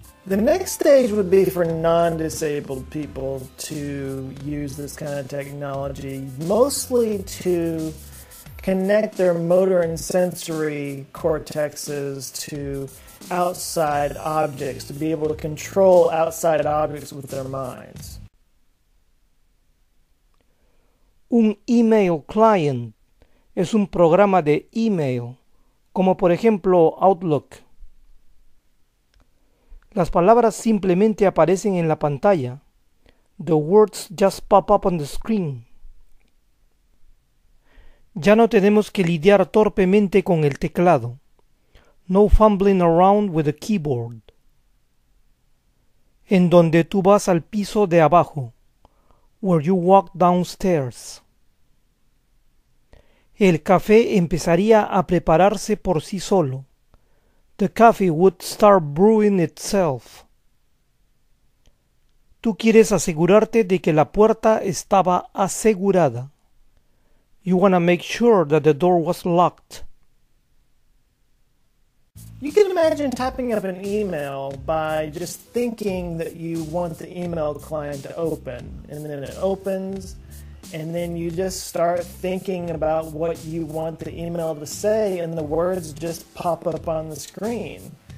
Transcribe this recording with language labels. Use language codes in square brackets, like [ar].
[en] The next stage would be for non-disabled people to use this kind of technology, mostly to connect their motor and sensory cortexes to outside objects, to be able to control outside objects with their minds. [es] Un email client es un programa de email, como por ejemplo Outlook. Las palabras simplemente aparecen en la pantalla. [en] The words just pop up on the screen. [es] Ya no tenemos que lidiar torpemente con el teclado. [en] No fumbling around with the keyboard. [es] En donde tú vas al piso de abajo. [en] Where you walk downstairs. [es] El café empezaría a prepararse por sí solo. [en] The coffee would start brewing itself. [es] Tú quieres asegurarte de que la puerta estaba asegurada. [en] You want to make sure that the door was locked. You can imagine typing up an email by just thinking that you want the email client to open, and then it opens. And then you just start thinking about what you want the email to say, and the words just pop up on the screen.